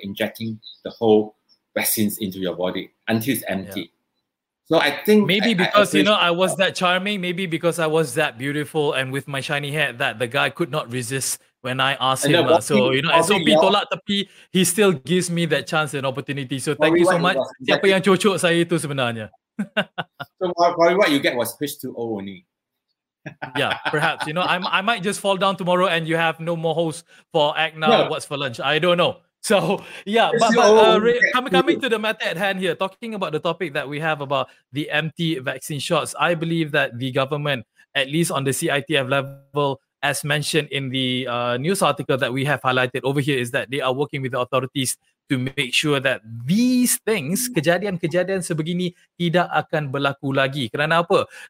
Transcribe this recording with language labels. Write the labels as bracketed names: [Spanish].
[English] We're injecting the whole vaccines into your body until it's empty. Yeah. So I think maybe I was that charming, maybe because I was that beautiful and with my shiny hair, that the guy could not resist when I asked him. So, you know, SOP [Malay] tolak tepi, [English] he still gives me that chance and opportunity. So thank you so much. [Malay] Siapa yang cocok saya itu sebenarnya? [English] So probably what you get was H2O only. Yeah, perhaps. You know, I might just fall down tomorrow and you have no more host for Act Now. No. What's for lunch? I don't know. So, yeah, coming to the matter at hand here, talking about the topic that we have about the empty vaccine shots, I believe that the government, at least on the CITF level, as mentioned in the news article that we have highlighted over here, is that they are working with the authorities to make sure that these things, [Malay] kejadian-kejadian sebegini, tidak akan berlaku lagi. Kerana apa?